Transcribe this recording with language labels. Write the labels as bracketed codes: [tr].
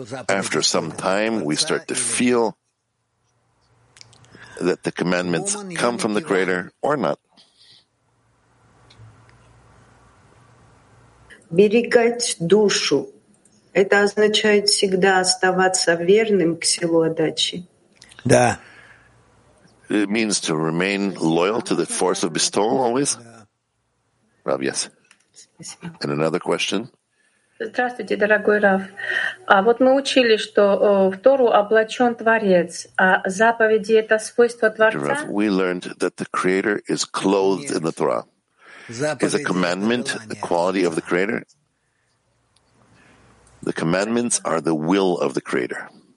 [en] After some time, we start to feel that the commandments come from the Creator or not. [ru] Берегать душу — это означает всегда оставаться верным к силу отдачи. Да. [en] It means to remain loyal to the force of bestowal always. Rav, yes. And another question. [ru] Здравствуйте, дорогой Рав. А вот мы учили, что в Тору облачен Творец, а заповеди — это свойство Творца. [en] Rav, we learned that the Creator is clothed in the Torah. Is a commandment the quality of the Creator? The commandments are the will of the Creator.